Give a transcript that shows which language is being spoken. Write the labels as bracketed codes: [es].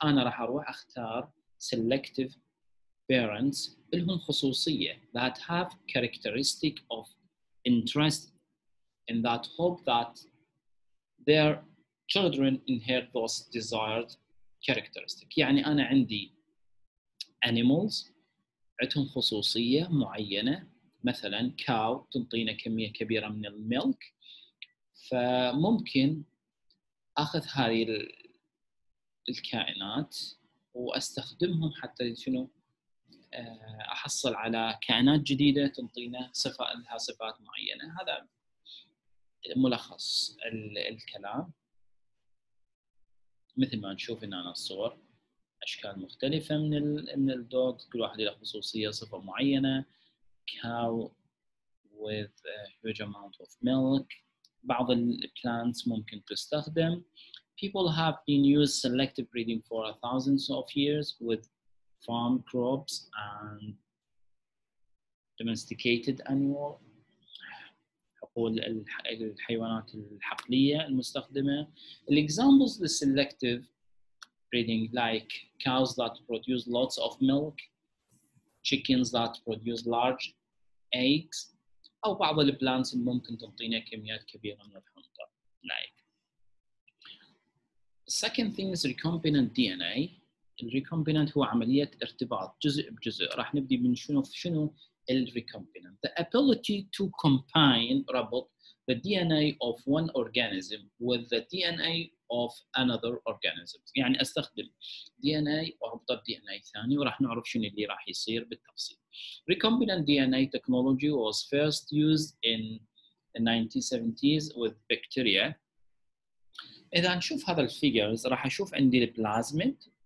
[ar] أنا راح أروح أختار [en] selective parents [ar] لهم خصوصية [en] that have characteristic of interest and that hope that their children inherit those desired characteristics. [ar] يعني أنا عندي animals عندهم خصوصية معينة، مثلا كاو تنطينا كمية كبيرة من الميلك، فممكن أخذ هذه الكائنات وأستخدمهم حتى شنو أحصل على كائنات جديدة تنطينا صفة لها صفات معينة. هذا ملخص الكلام. مثل ما نشوف هنا الصور أشكال مختلفة من الدوغ، كل واحد له خصوصية صفة معينة. [en] cow with a huge amount of milk. [ar] بعض plants ممكن تستخدم. [en] People have been used selective breeding for thousands of years with farm crops and domesticated animals. [ar] حقول الحيوانات الحقلية المستخدمة. [en] Examples of selective breeding like cows that produce lots of milk, chickens that produce large eggs, [ar] أو بعض البلانتس ممكن تعطينا كميات كبيرة من الحنطة. [en] Like. Second thing is recombinant DNA. [ar] Recombinant هو عملية ارتباط جزء بجزء. راح نبدي من شنو ال recombinant. [en] The ability to combine [ar] ربط [en] the DNA of one organism with the DNA of another organism. [ar] يعني استخدم DNA وربط DNA ثاني وراح نعرف شنو اللي راح يصير بالتفصيل. [en] Recombinant DNA technology was first used in the 1970s with bacteria. [ar] إذا نشوف هذا الفيجرز راح أشوف عندي البلازميد